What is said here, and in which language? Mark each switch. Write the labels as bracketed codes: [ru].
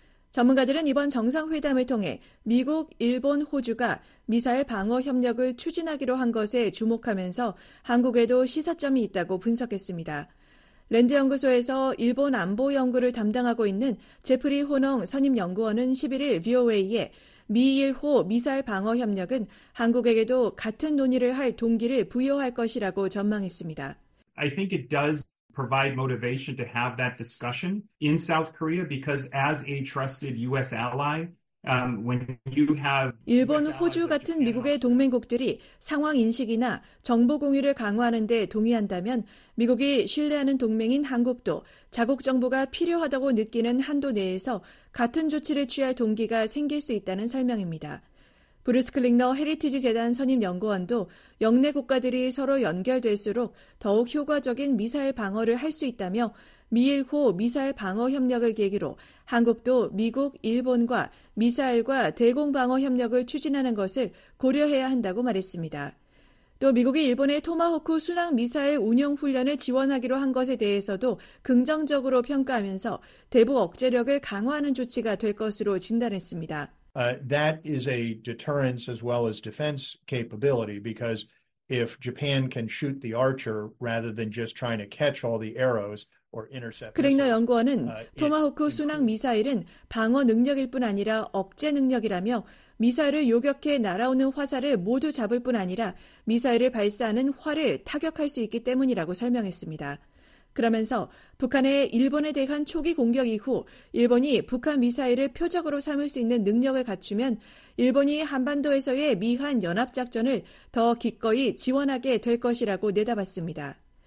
[ko] 전문가들은 이번 정상회담을 통해 미국, 일본, 호주가 미사일 방어 협력을 추진하기로 한 것에 주목하면서 한국에도 시사점이 있다고 분석했습니다. 랜드연구소에서 일본 안보 연구를 담당하고 있는 제프리 호농 선임연구원은 11일 VOA에 미-일호 미사일 방어 협력은 한국에게도 같은 논의를 할 동기를 부여할 것이라고 전망했습니다. [en] I think it does provide motivation to have that discussion in South Korea because as a trusted U.S. ally, when you have [ko] 일본, 호주 같은 미국의 동맹국들이 상황 인식이나 정보 공유를 강화하는 데 동의한다면 미국이 신뢰하는 동맹인 한국도 자국 정부가 필요하다고 느끼는 한도 내에서 같은 조치를 취할 동기가 생길 수 있다는 설명입니다. 브루스 클링너 헤리티지 재단 선임 연구원도 역내 국가들이 서로 연결될수록 더욱 효과적인 미사일 방어를 할 수 있다며 미-1호 미사일 방어 협력을 계기로 한국도 미국, 일본과 미사일과 대공 방어 협력을 추진하는 것을 고려해야 한다고 말했습니다. 또 미국이 일본의 토마호크 순항 미사일 운용 훈련을 지원하기로 한 것에 대해서도 긍정적으로 평가하면서 대북 억제력을 강화하는 조치가 될 것으로 진단했습니다. [en] That is a deterrence as well as defense capability because if Japan can shoot the archer rather than just trying to catch all the arrows or intercept. [ko] 그릭너 연구원은 토마호크 순항 미사일은 방어 능력일 뿐 아니라 억제 능력이라며 미사일을 요격해 날아오는 화살을 모두 잡을 뿐 아니라 미사일을 발사하는 활을 타격할 수 있기 때문이라고 설명했습니다. 그러면서 북한의 일본에 대한 초기 공격 이후 일본이 북한 미사일을 표적으로 삼을 수 있는 능력을 갖추면 일본이 한반도에서의 미한 연합작전을 더 기꺼이 지원하게 될 것이라고 내다봤습니다.